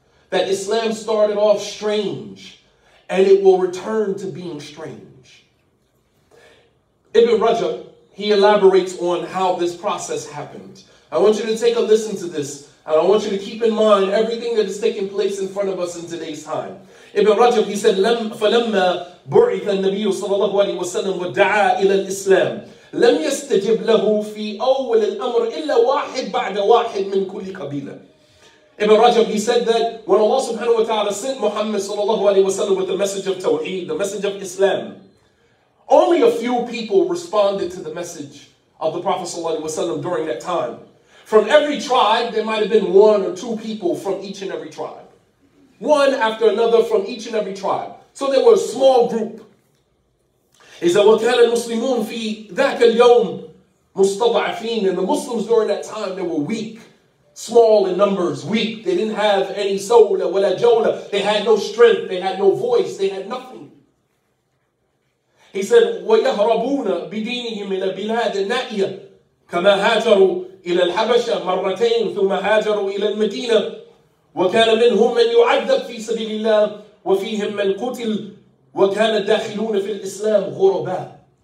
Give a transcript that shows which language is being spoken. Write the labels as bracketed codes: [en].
[en] That Islam started off strange and it will return to being strange. Ibn Rajab, he elaborates on how this process happened. I want you to take a listen to this. And I want you to keep in mind everything that is taking place in front of us in today's time. Ibn Rajab, he said, [ar] فَلَمَّا بُعِثَ النَّبِيُّ صَلَى اللَّهُ عَلَيْهِ وَسَلَّمْ وَدَعَى إِلَى الْإِسْلَامِ لَمْ يَسْتَجِبْ لَهُ فِي أَوَّلِ الْأَمْرِ إِلَّا وَاحِدْ بَعْدَ وَاحِدْ مِنْ كُلِّ قَبِيلَةِ. [en] Ibn Rajab, he said that when Allah subhanahu wa ta'ala sent Muhammad صلى الله عليه وسلم with the message of Tawheed, the message of Islam, only a few people responded to the message of the Prophet صلى الله عليه وسلم during that time. From every tribe, there might have been one or two people from each and every tribe. One after another from each and every tribe. So there were a small group. He said, [ar] وَكَانَ الْمُسْلِمُونَ فِي ذَاكَ الْيَوْمِ مُسْتَضَعَفِينَ. [en] And the Muslims during that time, they were weak. Small in numbers, weak. They didn't have any soul, [ar] وَلَا جَوْلَ. [en] They had no strength. They had no voice. They had nothing. He said, [ar] وَيَهْرَبُونَ بِدِينِهِمْ إِلَى بِلَادِ النَّائِيَةِ كَمَا هَاجَرُوا إِلَى الْحَبَشَةِ مَرَّتَيْنِ ثُمَّ هَاجَرُوا إِلَى الْمَدِينَةِ وَكَانَ مِنْهُمْ مَنْ يُعَذَّبْ فِي سَبِيلِ اللَّهِ وَفِيهِمْ مَنْ قُتِلْ وَكَانَ دَاخِلُونَ فِي الْإِسْلَامِ غُرَبًا.